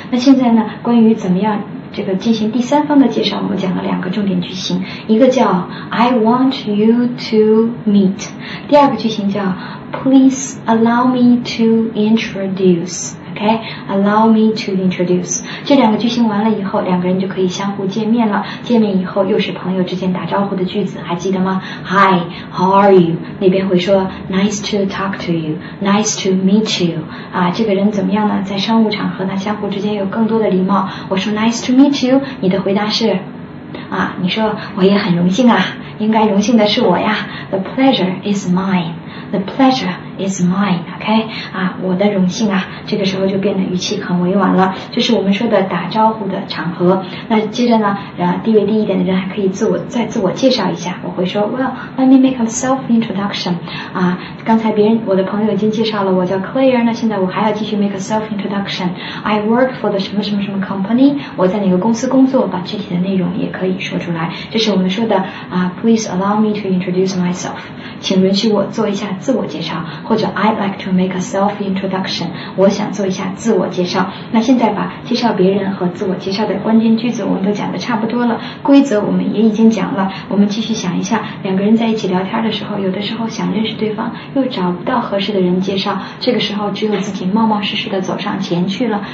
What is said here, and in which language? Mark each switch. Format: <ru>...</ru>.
<zh>那现在呢，关于怎么样这个进行第三方的介绍，我们讲了两个重点句型，一个叫</zh> <en>I want you to meet，</en> <zh>第二个句型叫</zh> <en>Please allow me to introduce。 OK， allow me to introduce，</en> <zh>这两个句型完了以后，两个人就可以相互见面了。见面以后又是朋友之间打招呼的句子，还记得吗？</zh> <en>Hi, how are you，</en> <zh>那边会说</zh> <en>Nice to talk to you， Nice to meet you。</en> <zh>啊，这个人怎么样呢？在商务场合呢，相互之间有更多的礼貌。我说</zh> <en>Nice to meet you，</en> <zh>你的回答是，啊，你说我也很荣幸啊，应该荣幸的是我呀。</zh> <en>The pleasure is mine。 the pleasure is mine, okay?</en> <zh>啊，我的荣幸啊，这个时候就变得语气很委婉了，这是我们说的打招呼的场合。那接着呢，地位低一点的人还可以自我介绍一下，我会说</zh> <en>Well, let me make a self-introduction.</en> <zh>啊，刚才别人，我的朋友已经介绍了，我叫 Claire, 那现在我还要继续</zh> <en>make a self-introduction. I work for the</en> <zh>什么什么什么</zh> <en>company,</en> <zh>我在哪个公司工作，把具体的内容也可以说出来。这是我们说的啊</zh> <en>,please allow me to introduce myself.</en> <zh>请允许我做一下自我介绍，或者</zh> <en>I'd like to make a self-introduction.</en> <zh>我想做一下自我介绍。那现在把介绍别人和自我介绍的关键句子我们都讲得差不多了，规则我们也已经讲了，我们继续想一下，两个人在一起聊天的时候，有的时候想认识对方又找不到合适的人介绍，这个时候只有自己冒冒失失地走上前去了。</zh>